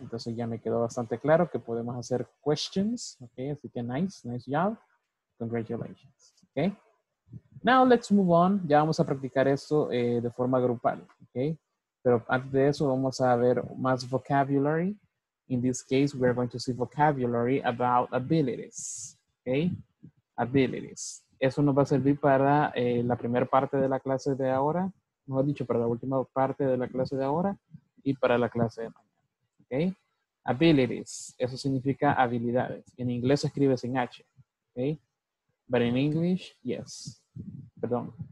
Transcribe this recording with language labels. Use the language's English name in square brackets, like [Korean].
[Spanish] Entonces ya me quedó bastante claro que podemos hacer questions. [English] Okay. [Spanish] Así que [English] nice. Nice job. Congratulations. Okay. Now let's move on. [Spanish] Ya vamos a practicar esto de forma grupal. Okay. Pero antes de eso vamos a ver más vocabulary. [English] In this case, we're going to see vocabulary about abilities, okay? Abilities. [Spanish] Eso nos va a servir para la primera parte de la clase de ahora, mejor dicho, para la última parte de la clase de ahora y para la clase de mañana, okay? Abilities, eso significa habilidades. En inglés se escribe sin H, okay? [English] But in English, yes. [Spanish] Perdón.